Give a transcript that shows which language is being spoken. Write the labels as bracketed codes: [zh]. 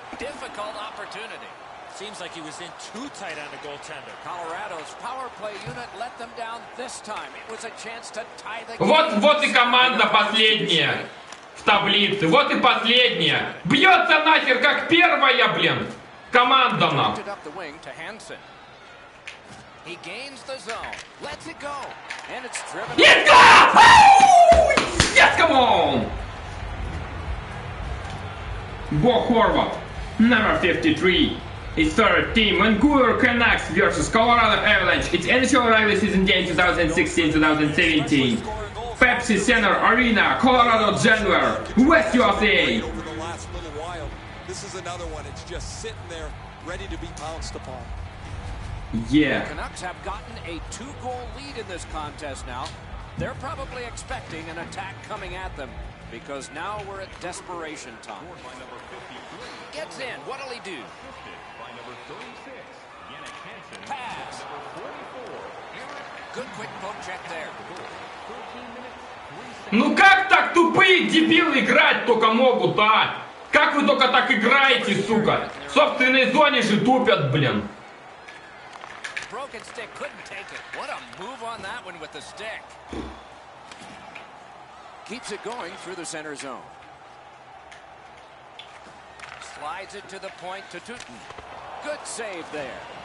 [en] Difficult opportunity. Seems like he was in too tight on the goaltender. Colorado's power play unit let them down this time. It was a chance to tie the game. [ru] Вот и команда последняя в таблице. Вот и последняя. Бьется нахер, как первая, блин. Команда нам. [en] Lifted up the wing to Hansen. He gains the zone. Let's it go. And it's driven. Yes, go! Yes, come on! Bo Horvat, number 53. It's third team, Vancouver Canucks versus Colorado Avalanche. It's NHL regular season game 2016-2017. Pepsi Center Arena, Colorado Denver, West USA. Over the last little while, this is another one. It's just sitting there, ready to be pounced upon. Yeah. Canucks have gotten a two-goal lead in this contest now. They're probably expecting an attack coming at them because now we're at desperation time. Gets in. What'll he do? Pass. Good quick poke check there. [ru] Ну как так тупые дебилы играть только могут, а? Как вы только так играете, сука? В собственной зоне же тупят, блин. [en] Broken stick couldn't take it. What a move on that one with the stick. Keeps it going through the center zone. Slides it to the point to Tutin. Good save there.